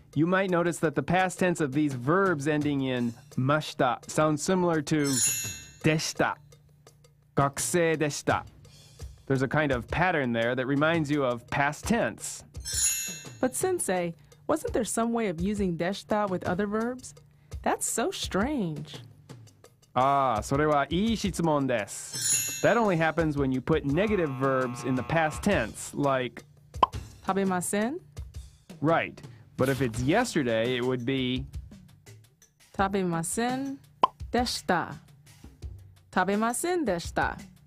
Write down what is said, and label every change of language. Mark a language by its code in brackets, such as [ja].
[en] You might notice that the past tense of these verbs ending in ました sounds similar to... [ja] でした。学生でした。 [en] There's a kind of pattern there that reminds you of past tense. But sensei, wasn't there some way of using deshita with other verbs? That's so strange. [ja] Ah, それはいい質問です。 [en] That only happens when you put negative verbs in the past tense, like... [ja] 食べません? [en] Right. But if it's yesterday, it would be... [ja] 食べませんでした。食べませんでした。